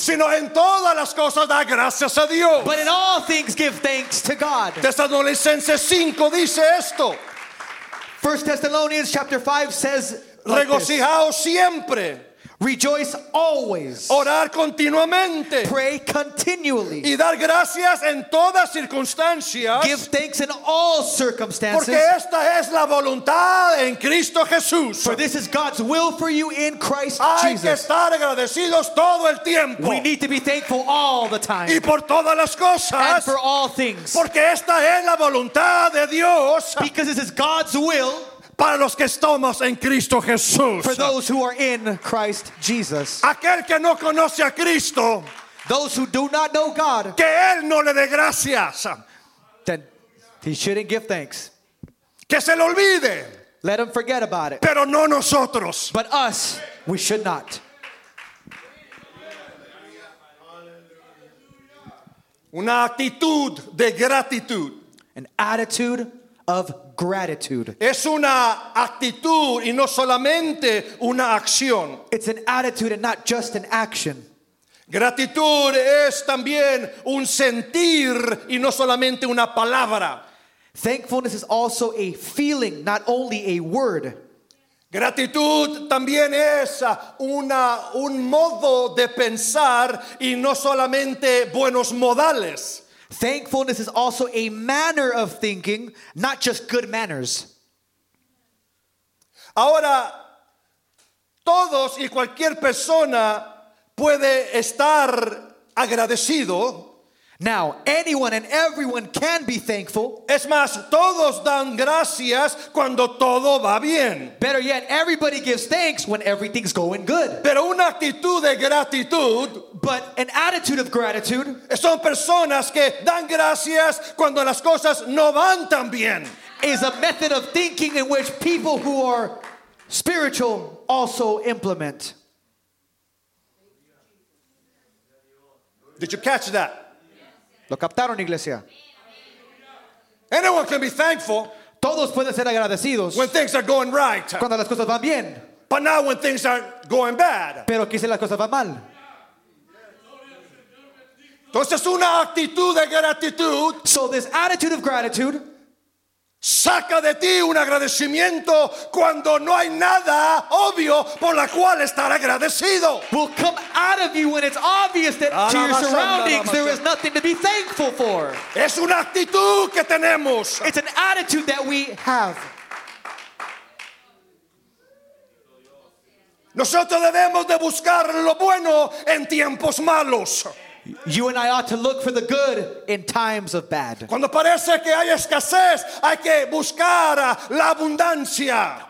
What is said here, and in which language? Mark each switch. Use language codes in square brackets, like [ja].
[es] Sino en todas las cosas da gracias a Dios. [en] But in all things give thanks to God. [es] Tesalonicenses 5 dice esto. [en] First Thessalonians chapter 5 says [es] Regocijaos siempre. [en] Rejoice always. [es] Orar continuamente. [en] Pray continually. [es] Y dar gracias en todas circunstancias. [en] Give thanks in all circumstances. [es] Porque esta es la voluntad en Cristo Jesús. [en] For this is God's will for you in Christ [es] Hay [en] Jesus. [es] Que estar agradecidos todo el tiempo. [en] We need to be thankful all the time. [es] Y por todas las cosas. [en] And for all things. [es] Porque esta es la voluntad de Dios. [en] Because this is God's will. [es] Para los que estamos en Cristo Jesús. [en] For those who are in Christ Jesus. [es] Aquel que no conoce a Cristo. [en] Those who do not know God. [es] Que él no le dé gracias. [en] Then he shouldn't give thanks. [es] Que se le olvide. [en] Let him forget about it. [es] Pero no nosotros. [en] But us, we should not. [es] Una actitud de gratitud. [en] An attitude of gratitude. [es] Es una actitud y no solamente una acción. [en] It's an attitude and not just an action. [es] Gratitud es también un sentir y no solamente una palabra. [en] Thankfulness is also a feeling, not only a word. [es] Gratitud también es un modo de pensar y no solamente buenos modales. [en] Thankfulness is also a manner of thinking, not just good manners. [es] Ahora, todos y cualquier persona puede estar agradecido. [en] Now, anyone and everyone can be thankful. [es] Es más, todos dan gracias cuando todo va bien. [en] Better yet, everybody gives thanks when everything's going good. [es] Pero una actitud de gratitud. [en] But an attitude of gratitude. [es] Son personas que dan gracias cuando las cosas no van tan bien. [en] Is a method of thinking in which people who are spiritual also implement. Did you catch that? [es] Lo captaron, iglesia. [en] Anyone can be thankful. [es] Todos pueden ser agradecidos. [en] When things are going right. [es] Cuando las cosas van bien. [en] But not when things are going bad. [es] Pero quizás las cosas van mal. Entonces una actitud de gratitud. [en] So this attitude of gratitude. [es] Saca de ti un agradecimiento cuando no hay nada obvio por la cual estar agradecido. [en] Will come out of you when it's obvious that to your surroundings there is nothing to be thankful for. [es] Es una actitud que tenemos. [en] It's an attitude that we have. [es] Nosotros debemos de buscar lo bueno en tiempos malos. [en] You and I ought to look for the good in times of bad. [es] Cuando parece que hay escasez, hay que buscar la abundancia.